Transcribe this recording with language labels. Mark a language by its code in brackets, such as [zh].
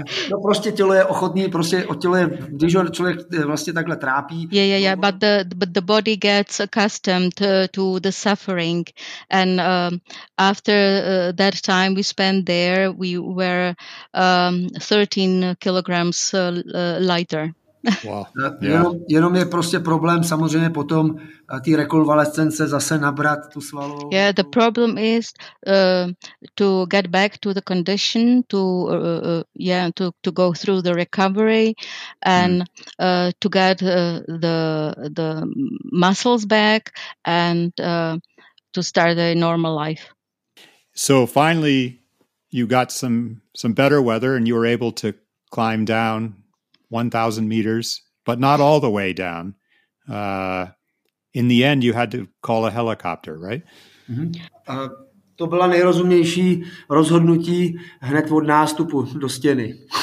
[cs] No prostě tělo je ochotný, prostě tělo je, když ho člověk vlastně takhle trápí. [en] But the body gets accustomed to the suffering, and after that time we spent there, we were 13 kilograms lighter. Wow. Yeah. [cs] Jenom je prostě problém samozřejmě potom ty rekonvalescence zase nabrat tu svalovou. [en] Yeah, the problem is to get back to the condition to go through the recovery and to get the muscles back and to start a normal life. So finally you got some better weather and you were able to climb down 1,000 meters, but not all the way down. In the end, you had to call a helicopter, right? Mm-hmm. [cs] To byla nejrozumnější rozhodnutí hned od nástupu do stěny.